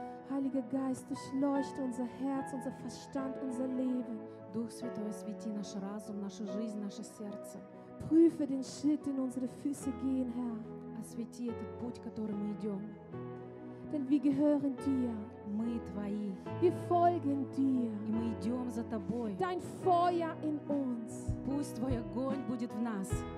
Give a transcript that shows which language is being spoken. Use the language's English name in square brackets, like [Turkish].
[German] Heiliger Geist, durchleuchte unser Herz, unser Verstand, unser Leben. [Russian] Дух Святой, освети наш разум, нашу жизнь, наше сердце. [German] Prüfe den Schritt, den unsere Füße gehen, Herr. [Russian] Освети этот путь, который мы идем. [German] Denn wir gehören dir. [Russian] Мы твои. [German] Wir folgen dir. [Russian] И мы идем за тобой. [German] Dein Feuer in uns. [Russian] Пусть твой огонь будет в нас.